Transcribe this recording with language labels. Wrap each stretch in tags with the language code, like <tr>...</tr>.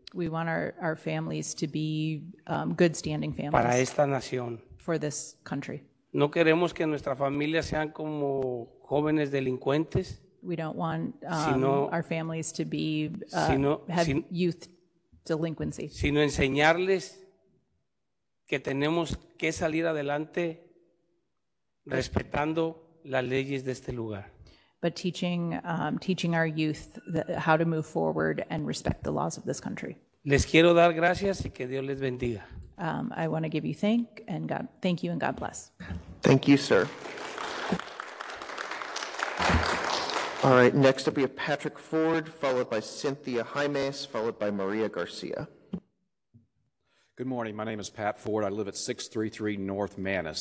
<en>We want our families to be good standing families.</en> <es>Para esta nación.</es> <en>For this country.</en> <es>No queremos que nuestra familia sean como jóvenes delincuentes.</es> <en>We don't want our families to be youth delinquency.</en> <es>Sino enseñarles que tenemos que salir adelante respetando las leyes de este lugar.</es> <en>But teaching our youth how to move forward and respect the laws of this country.</en> <es>Les quiero dar gracias y que Dios les bendiga.</es> <en>I want to give you thank you and God bless. Thank you, sir. All right, next up we have Patrick Ford, followed by Cynthia Jaimes, followed by Maria Garcia. Good morning, my name is Pat Ford. I live at 633 North Manis.</en>